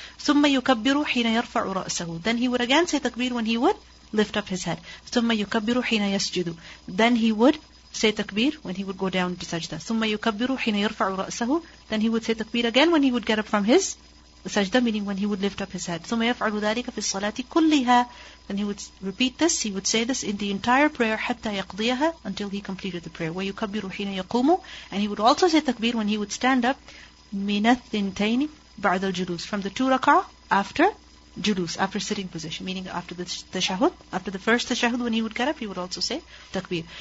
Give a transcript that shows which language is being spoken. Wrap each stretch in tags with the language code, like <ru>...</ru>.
<ar>ثم يكبر حين يرفع رأسه.</ar> <en>Then he would again say takbir when he would lift up his head.</en> <ar>ثم يكبر حين يسجد.</ar> <en>Then he would say takbir when he would go down to sajda.</en> <ar>ثم يكبر حين يرفع رأسه.</ar> <en>Then he would say takbir again when he would get up from his sajda, meaning when he would lift up his head.</en> <ar>ثم يفعل ذلك في الصلاة كلها.</ar> <en>Then he would repeat this. He would say this in the entire prayer</en> <ar>حتى يقضيها,</ar> <en>until he completed the prayer.</en> <ar>ويكبر حين يقوم.</ar> <en>And he would also say takbir when he would stand up</en> <ar>من الثنتين بعد الجلوس,</ar> <en>from the two rak'ah after julus, after sitting position, meaning after the tashahud, after the first tashahud, when he would get up, he would also say takbir.</en>